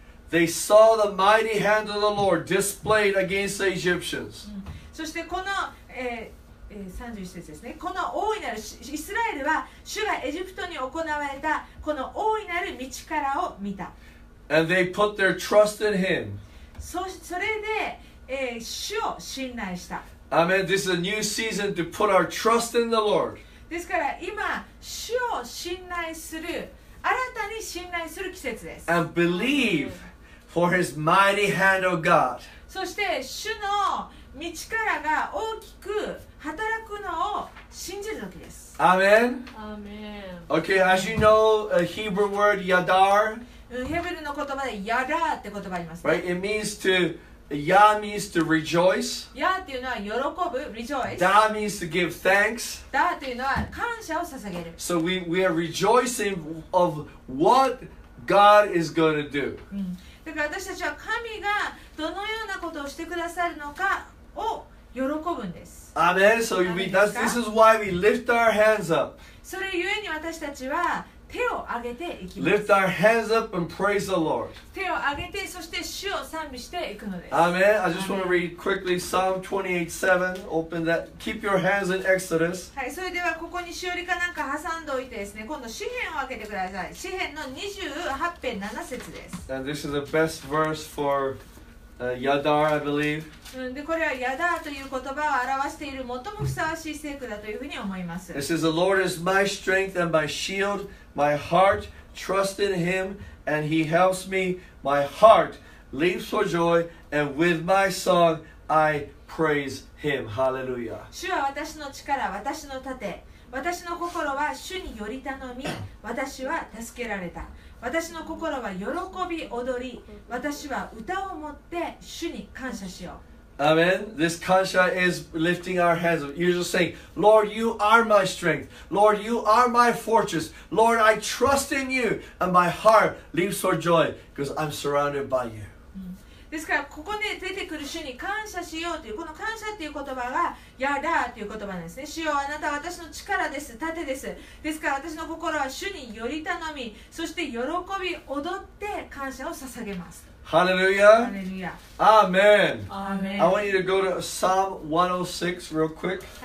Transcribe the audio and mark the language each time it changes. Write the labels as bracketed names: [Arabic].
[English] They saw the mighty hand of the Lord displayed against the Egyptians. [Japanese] そしてこの、31節ですね。この大いなるイスラエルは主がエジプトに行われたこの大いなる道からを見た。 [English] And they put their trust in him. [Japanese] それで、主を信頼した。 [English] Amen. This is a new season to put our trust in the Lord. [Japanese] ですから今主を信頼する新たに信頼する季節です。 [English] And believe for his mighty hand of God. [Japanese] そして主の道からが大きく働くのを信じる時です。アーメン。アーメン。 [English] Okay, as you know, a Hebrew word yadar. [Japanese] ヘブルの言葉でやだって言葉あります、 [English] ね。Right, it means to ya means to rejoice. [Japanese] やっていうのは喜ぶ [English] rejoice. Da means to give thanks. [Japanese] だっていうのは感謝を捧げる。 [English] So we are rejoicing of what God is going to do.、 [Japanese] うんだから私たちは神がどのようなことをしてくださるのかを喜ぶんです。アメン。 [English] So this is why we lift our hands up. [Japanese] それゆえに私たちは手を上げていきます。 [English] Lift our hands up and praise the Lord. [Japanese] 手を上げてそして主を賛美していくのです。 [English] アメン。I just want to read quickly Psalm 28:7. Open that. Keep your hands in Exodus. [Japanese] はい。それではここにしおりかなんか挟んでおいてですね。今度詩編を開けてください。詩編の28:7です。 [English] And this is the best verse for、Yadar, I believe. [Japanese] でこれはヤダーという言葉を表している最もふさわしい聖句だというふうに思います。 [English] It says, "The Lord is my strength and my shield." My heart trusts in him and he helps me. My heart leaps for joy and with my song I praise him. Hallelujah. [Japanese] 主は私の力、私の盾。私の心は主により頼み、私は助けられた。私の心は喜び踊り、私は歌を持って主に感謝しよう。 [English] Amen. This kansha is lifting our hands. You're just saying, Lord, you are my strength. Lord, you are my fortress. Lord, I trust in you. And my heart leaps for joy because I'm surrounded by you. [Japanese] ですからここで出てくる主に感謝しようというこの感謝という言葉がやだという言葉なんですね。主よ、あなたは私の力です、盾です。ですから私の心は主により頼み、そして喜び踊って感謝を捧げます。 [English] Hallelujah. Amen. I want you to go to Psalm 106 real quick.